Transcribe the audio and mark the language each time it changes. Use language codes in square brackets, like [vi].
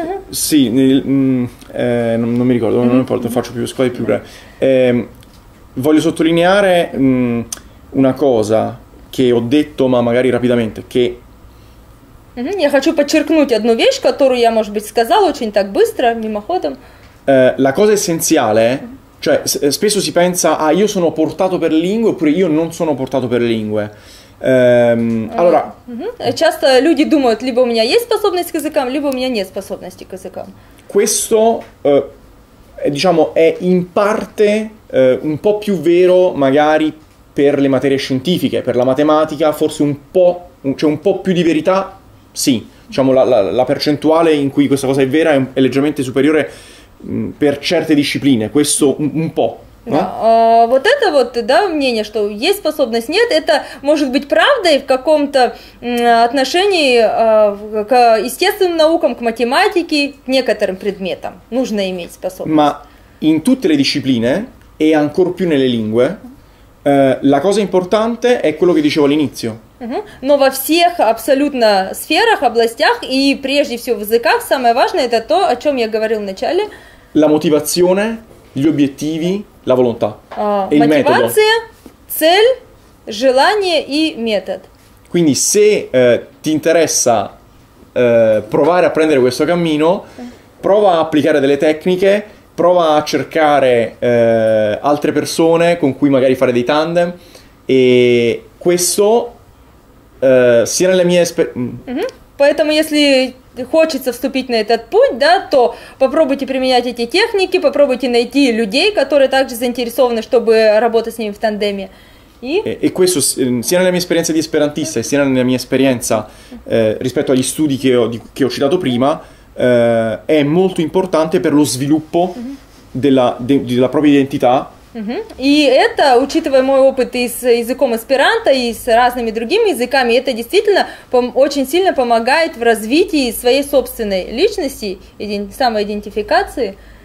[it] Sì, non mi ricordo, non importa, faccio più scuole più breve. Voglio sottolineare una cosa che ho detto, ma magari rapidamente, che... [ru] Я хочу подчеркнуть одну вещь, которую я, может быть, сказал очень так быстро, мимоходом. [it] La cosa essenziale, cioè, spesso si pensa, ah, io sono portato per lingue, oppure io non sono portato per lingue. Allora... [ru] Часто люди думают, либо у меня есть способность к языкам, либо у меня нет способности к языкам. [it] Questo, diciamo, è in parte... un po' più vero magari per le materie scientifiche, per la matematica forse un po', c'è un po' più di verità, sì, diciamo la percentuale in cui questa cosa è vera è leggermente superiore per certe discipline, questo un po'. [ru] Вот это вот, да, мнение, что есть способность, нет, это может быть правдой в каком-то отношении к естественным наукам, к математике, к некоторым предметам, нужно иметь способность. [it] Ma in tutte le discipline e ancor più nelle lingue, la cosa importante è quello che dicevo all'inizio. [ru] Но во всех абсолютно сферах, областях и прежде всего в языках самое важное это то, о чем я говорил в начале. [it] La motivazione, gli obiettivi, la volontà. E il metodo. [ru] Мотивация, цель, желание и метод. [it] Quindi se ti interessa provare a prendere questo cammino, prova a applicare delle tecniche. Prova a cercare altre persone con cui magari fare dei tandem e questo sia nella mia [ru] Поэтому если хочется вступить на этот путь, да, то попробуйте применять эти техники, попробуйте найти людей, которые также заинтересованы, чтобы работать с ними в тандеме. [it] E questo sia nella mia esperienza di esperantista, sia nella mia esperienza rispetto agli studi che ho citato prima. È molto importante per lo sviluppo della propria identità. [ru] И это, учитывая мой опыт и с языком эсперанто, и с разными другими языками, это действительно очень сильно помогает в развитии своей собственной личности, самоидентификации.